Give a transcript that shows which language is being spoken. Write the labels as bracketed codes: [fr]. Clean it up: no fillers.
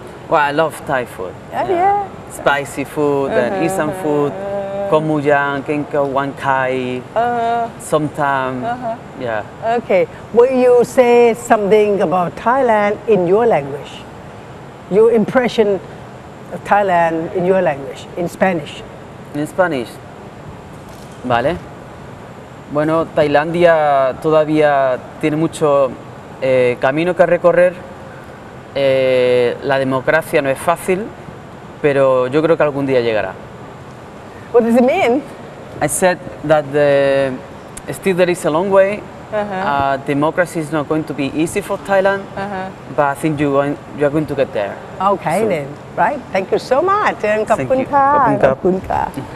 [en] Well, I love Thai food. Spicy food and Isan food, komujang, kenka wankai, somtam. Okay. Will you say something about Thailand in your language? Your impression of Thailand in your language, in Spanish? In Spanish. Vale. [es] Bueno, Tailandia todavía tiene mucho camino que recorrer. La democracia no es fácil, pero yo creo que algún día llegará. [en] What does it mean? I said that still there is a long way. Democracy is not going to be easy for Thailand, but I think you are going to get there. Okay, so. Then. Right. Thank you so much. Thank you. Kapunka.